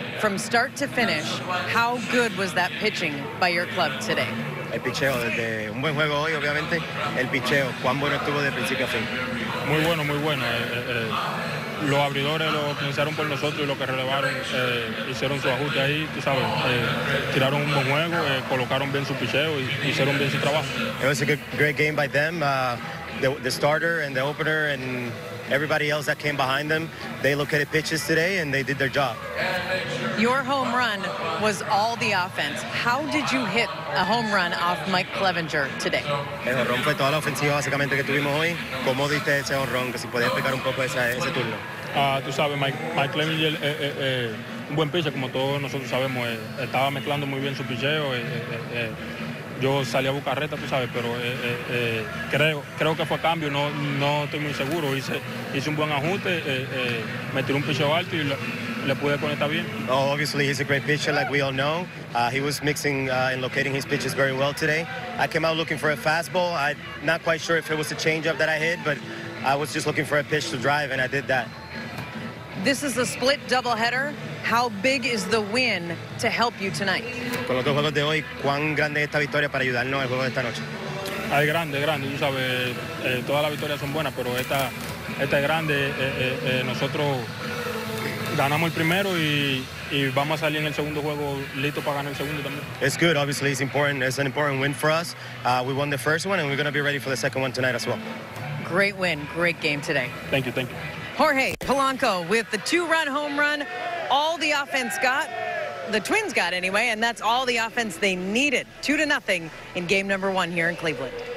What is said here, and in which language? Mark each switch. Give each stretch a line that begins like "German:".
English: From start to finish, how good was that pitching by your club today?
Spanish: El picheo, desde un buen juego hoy, obviamente, el picheo, ¿cuán bueno estuvo de principio a fin? Muy bueno, muy bueno. Los abridores lo comenzaron por nosotros y los que relevaron hicieron su ajuste ahí, tú sabes, tiraron un buen juego, colocaron bien su picheo y hicieron bien su trabajo.
English: It was a great game by them, the starter and the opener and everybody else that came behind them. They located pitches today and they did their job. Your home run was all the offense. How did you hit a home run off Mike Clevinger today?
Spanish: El jonrón fue toda la ofensiva básicamente que tuvimos hoy. ¿Cómo diste ese jonrón? Que si podías explicar un poco ese turno. Tú sabes, Mike Clevinger, un buen pitcher, como todos nosotros sabemos. Estaba mezclando muy bien su picheo. Yo salí a buscar reta, tú sabes, pero creo que fue cambio, no estoy muy seguro. Hice un buen ajuste, me tiré un picheo alto y le pude conectar bien.
English: Oh, obviously, he's a great pitcher, like we all know. He was mixing and locating his pitches very well today. I came out looking for a fastball. I'm not quite sure if it was a changeup that I hit, but I was just looking for a pitch to drive, and I did that. This is a split doubleheader. How big is the win to help you tonight?
Spanish: Con los dos juegos de hoy, ¿cuán grande es esta victoria para ayudarnos al juego de esta noche? Ay, grande, grande. Tú sabes, todas las victorias son buenas, pero esta es grande. Nosotros ganamos el primero y vamos a salir en el segundo juego listo para ganar el segundo también.
English: It's good. Obviously, it's important. It's an important win for us. We won the first one, and we're going to be ready for the second one tonight as well. Great win. Great game today. Thank you. Thank you. Jorge Polanco with the two-run home run. All the offense got, the Twins got anyway, and that's all the offense they needed. 2-0 in game number one here in Cleveland.